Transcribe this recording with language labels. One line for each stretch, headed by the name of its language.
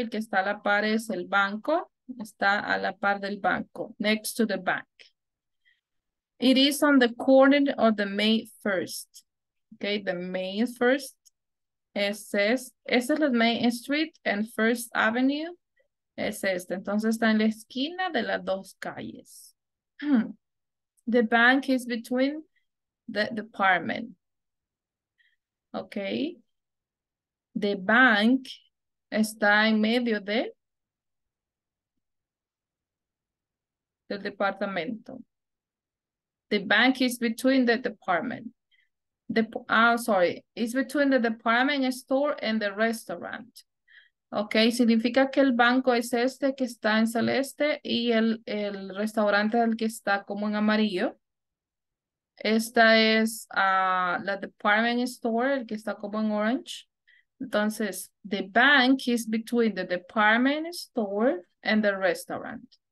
Spanish: El que está a la par es el banco. Está a la par del banco. Next to the bank.
English: It is on the corner of the main first. Okay. The main first.
Spanish: Esta es la Main Street and First Avenue. Es esta. Entonces está en la esquina de las dos calles.
English: The bank is between the department. Ok.
Spanish: The bank está en medio de del departamento.
English: The bank is between the department. It's between the department store and the restaurant.
Spanish: Ok, significa que el banco es este que está en celeste y el restaurante es el que está como en amarillo. Esta es la department store, el que está como en orange.
English: Entonces, the bank is between the department store and the restaurant.